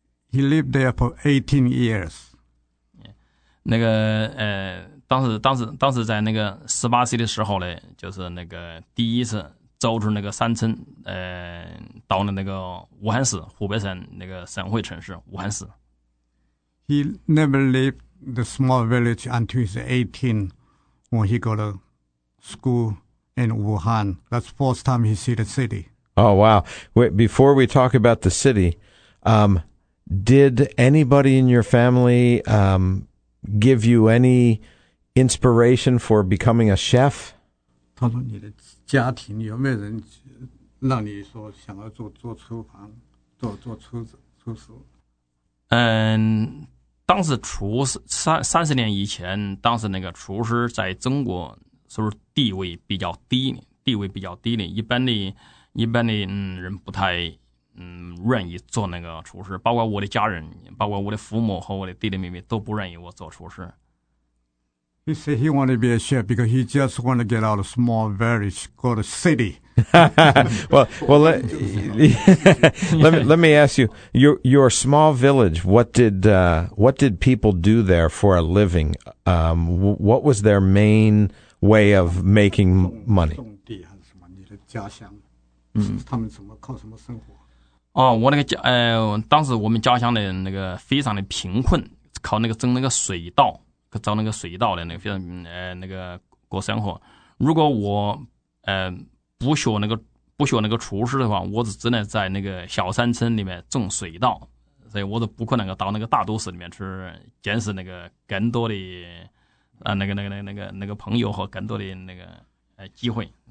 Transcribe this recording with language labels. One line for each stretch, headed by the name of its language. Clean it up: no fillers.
English: He lived there for 18 years.
Chinese: 那个, 当时在那个18岁的时候呢, 就是那个第一次走出那个山村, 到了那个武汉市, 湖北省那个省会城市, 武汉市。
English: He never lived the small village until he's 18 when he go to school in Wuhan. That's the first time he see the city. Oh, wow. Wait, before we talk about the city, did anybody in your family give you any inspiration for becoming a chef?
Chinese: 他说你的家庭有没有人让你说想要做厨房做厨师？嗯，当时厨师30年以前，当时那个厨师在中国是不是地位比较低，地位比较低的，一般的人不太愿意做那个厨师，包括我的家人，包括我的父母和我的弟弟妹妹都不愿意我做厨师。
English: He said he wanted to be a chef because he just wanted to get out of small village called a city. well, let me ask you, your small village, what did people do there for a living? What was their main way of making money?
Chinese: 种地还是什么？你的家乡？他们怎么靠什么生活？哦，我那个家，当时我们家乡的那个非常的贫困，靠那个种那个水稻，找那个水稻的那个非常那个过生活。如果我不学那个厨师的话，我只能在那个小山村里面种水稻，所以我都不可能够到那个大都市里面去见识那个更多的那个朋友和更多的那个机会。